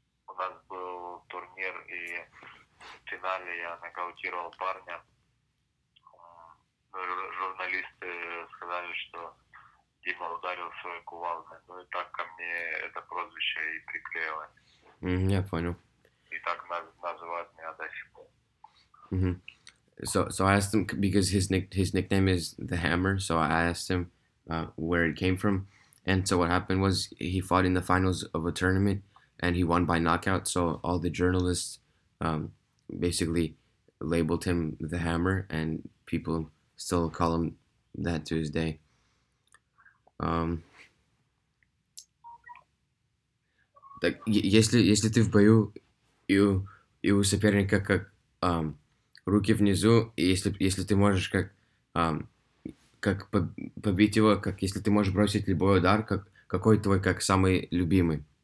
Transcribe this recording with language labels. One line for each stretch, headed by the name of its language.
Russian: у нас был турнир, и в финале я нокаутировал парня. Журналисты сказали, что Дима ударил свой кувалдой. Ну и так ко мне это прозвище и приклеилось. Я понял. И так называют меня до сих пор.
English: So I asked him, because his nickname is The Hammer, so I asked him where it came from. And so what happened was he fought in the finals of a tournament and he won by knockout. So all the journalists basically labeled him The Hammer, and people still call him that to his day.
Russian: Если ты в бою и у соперника как руки внизу, и если ты можешь как побить его, как если ты можешь бросить любой удар, какой твой как самый любимый?